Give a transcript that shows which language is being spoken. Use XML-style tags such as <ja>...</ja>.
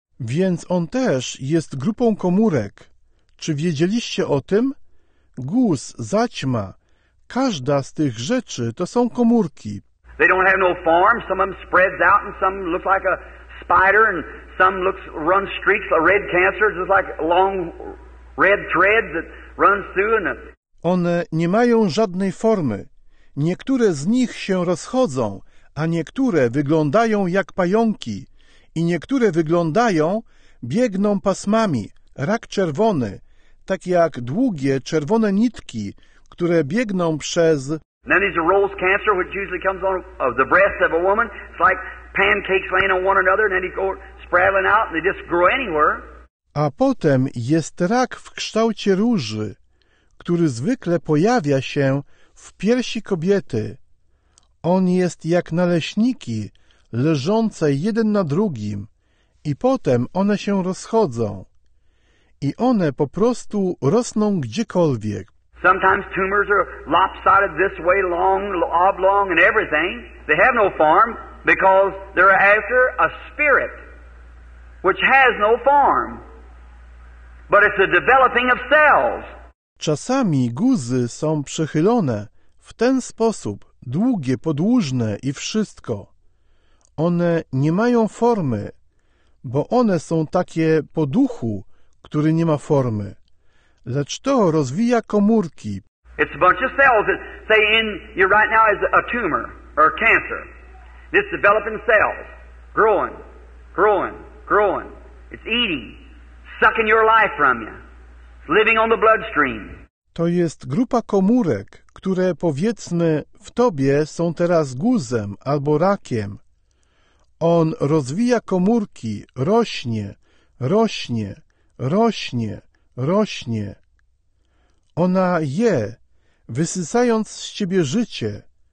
<pl>Więc on też jest grupą komórek. Czy wiedzieliście o tym? Guz, zaćma, każda z tych rzeczy to są komórki.</pl> <en>They don't have no form. Some of them spreads out and some look like a spider and some looks run streaks, a red cancer, just like long red thread that runs through. And</en> <pl>one nie mają żadnej formy. Niektóre z nich się rozchodzą, a niektóre wyglądają jak pająki i niektóre wyglądają, biegną pasmami, rak czerwony, tak jak długie czerwone nitki, które biegną przez...</pl> <en>Then there's a rose cancer, which usually comes on the breast of a woman. It's like pancakes laying on one another, and then they go spraddling out, and they just grow anywhere.</en> <pl>A potem jest rak w kształcie róży, który zwykle pojawia się w piersi kobiety. On jest jak naleśniki, leżące jeden na drugim i potem one się rozchodzą. I one po prostu rosną gdziekolwiek.</pl> <en>Sometimes tumors are lopsided this way, long, oblong and everything. They have no form because they're after a spirit which has no form. But it's a developing of cells.</en> <pl>Czasami guzy są przechylone W ten sposób długie, podłużne i wszystko. One nie mają formy, bo one są takie po duchu, który nie ma formy. Lecz to rozwija komórki.</pl> <en>It's a bunch of cells that say in you right now is a tumor or cancer. This developing cells, growing, growing, growing. It's eating, sucking your life from you. It's living on the bloodstream.</en> <pl>To jest grupa komórek, które powiedzmy w tobie są teraz guzem albo rakiem. On rozwija komórki, rośnie, rośnie, rośnie, rośnie. Ona je, wysysając z ciebie życie.</pl>